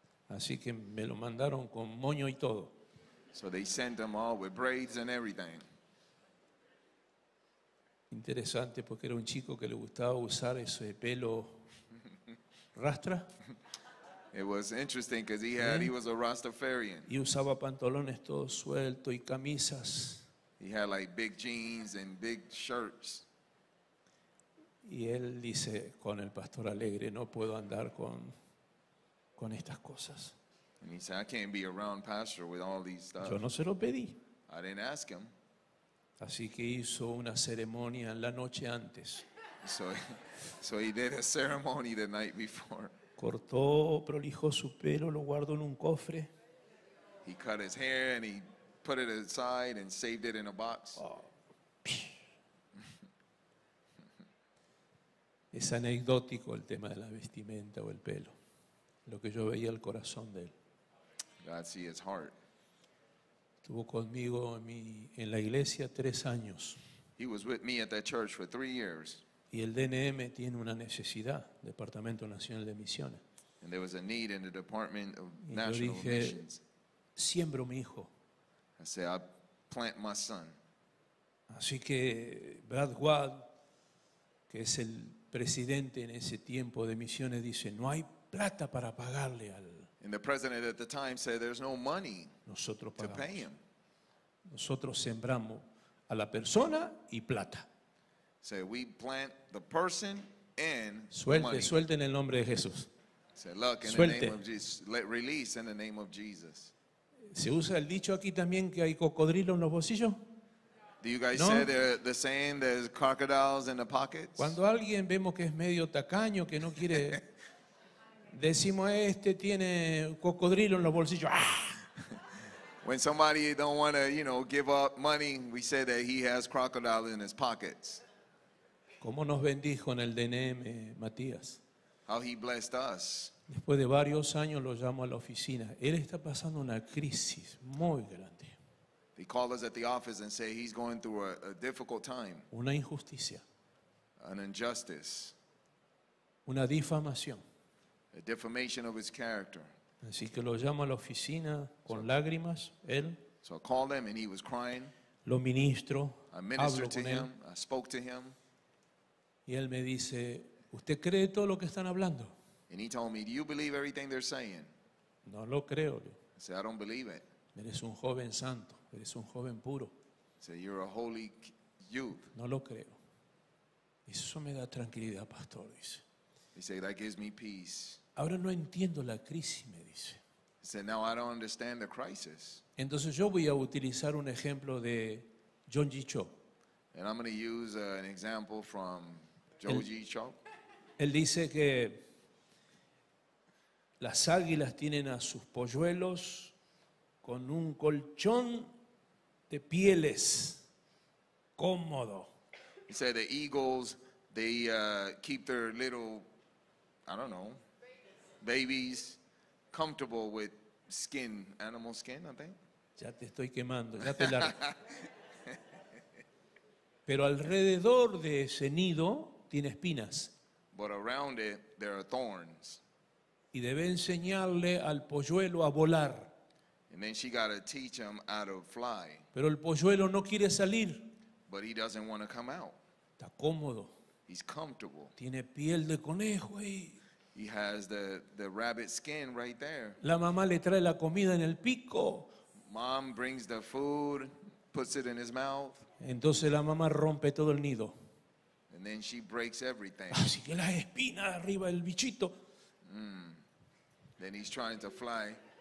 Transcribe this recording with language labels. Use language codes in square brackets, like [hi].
[es] Así que me lo mandaron con moño y todo. [en] So they sent them all with braids and everything. [es] Interesante, porque era un chico que le gustaba usar ese pelo rastra. [en] It was interesting because he was a Rastafarian. [es] Y usaba pantalones todos sueltos y camisas. [en] He had like big jeans and big shirts. [es] Y él dice con el pastor Alegre, no puedo andar con estas cosas. [en] And he said, I can't be around pastor with all these stuff. [es] Yo no se lo pedí. [en] I didn't ask him. [es] Así que hizo una ceremonia la noche antes. [en] So he did a ceremony the night before. [es] Cortó, prolijó su pelo, lo guardó en un cofre. [en] He cut his hair and he put it aside and saved it in a box. [es] Es anecdótico el tema de la vestimenta o el pelo. Lo que yo veía el corazón de él. [en] God see his heart. [es] Estuvo conmigo en la iglesia 3 años. [en] He was with me at that church for 3 years. [es] Y el DNM tiene una necesidad, Departamento Nacional de Misiones. [en] And there was a need in the Department of [es] y [en] National [es] yo dije, [en] Missions. [es] Siembro mi hijo. [en] I said, I plant my son. [es] Así que Brad Watt, que es el presidente en ese tiempo de Misiones, dice, no hay plata para pagarle al... [en] And the president at the time said, there's no money to pay him. [es] Nosotros sembramos a la persona y plata. [en] So we plant the person and [es] suelte, [en] the money. [es] Suelte en el nombre de Jesús. [en] Say, look, in suelte. The name of Jesus, let release in the name of Jesus. [es] ¿Se usa el dicho aquí también que hay cocodrilo en los bolsillos? [en] Do you guys say the saying there's crocodiles in the pockets? [es] Cuando alguien vemos que es medio tacaño, que no quiere... Decimos este tiene cocodrilo en los bolsillos. ¡Ah! [en] When somebody don't want to, you know, give up money, we say that he has crocodile in his pockets. [es] ¿Cómo nos bendijo en el DNM, Matías? [en] How he blessed us. [es] Después de varios años lo llamo a la oficina. Él está pasando una crisis muy grande. [en] They call us at the office and say he's going through a difficult time. [es] Una injusticia. [en] An injustice. [es] Una difamación. [en] A defamation of his character. [es] Así que lo llamo a la oficina con lágrimas, él. [en] So I called him and he was crying. [es] Lo ministro, [en] I ministered to him, [es] él. [en] I spoke to him. [es] Y él me dice, ¿usted cree todo lo que están hablando? [en] And he told me, do you believe everything they're saying? [es] No lo creo. [en] I said, I don't believe it. [es] Eres un joven santo, eres un joven puro. [en] I said, you're a holy youth. [es] No lo creo. Eso me da tranquilidad, pastor, dice. [en] He said, that gives me peace. [es] Ahora no entiendo la crisis, me dice. [en] He said, now I don't understand the crisis. [es] Entonces yo voy a utilizar un ejemplo de John G. Cho. [en] And I'm going to use an example from Joe G. Cho. [es] Él dice que las águilas tienen a sus polluelos con un colchón de pieles cómodo. [en] He said, the eagles, they keep their little... I don't know. Babies comfortable with skin, animal skin, I think. [es] Ya te estoy quemando, ya te largo. Pero alrededor de ese nido tiene espinas. [en] But around it there are thorns. [es] Y debe enseñarle al polluelo a volar. [en] And then she got to teach him how to fly. [es] Pero el polluelo no quiere salir. [en] But he doesn't want to come out. [es] Está cómodo. [en] He's comfortable. [es] Tiene piel de conejo ahí. [en] He has the rabbit skin right there. [es] La mamá le trae la comida en el pico. [en] Mom brings the food, puts it in his mouth. [es] Entonces la mamá rompe todo el nido. [en] And then she breaks everything. [es] Así que las espinas arriba del bichito. [en] Then he's trying to fly.